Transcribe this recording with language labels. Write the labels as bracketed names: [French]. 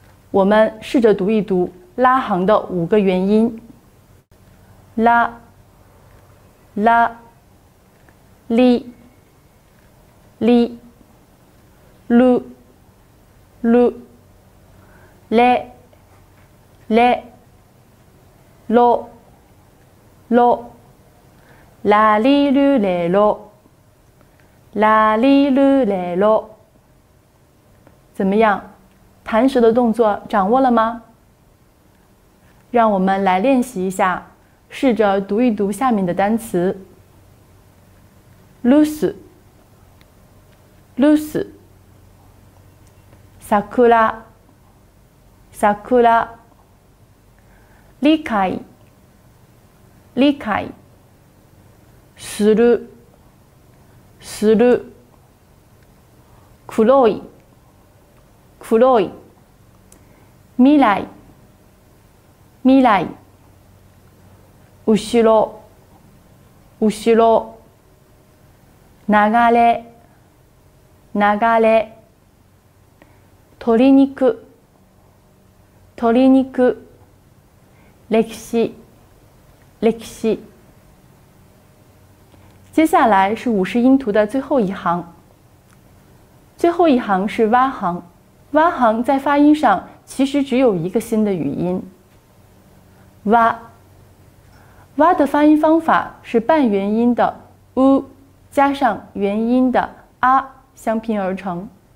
[Chinese] 我们试着读一读拉行的五个元音：拉、拉、哩、哩、噜、噜、勒、勒、咯、咯、拉哩噜勒咯、拉哩噜勒咯。怎么样？弹舌的动作掌握了吗？让我们来练习一下，试着读一读下面的单词：loose、 [Japanese] loose, sakura, sakura, 理解、理解、する、する、黒い、黒い、未来、未来、後ろ、後ろ、流れ、流れ、鶏肉、鶏肉、歴史、歴史。 [Chinese] 接下来是五十音图的最后一行。最后一行是蛙行，蛙行在发音上其实只有一个新的语音。蛙，蛙的发音方法是半元音的u加上元音的啊相拼而成。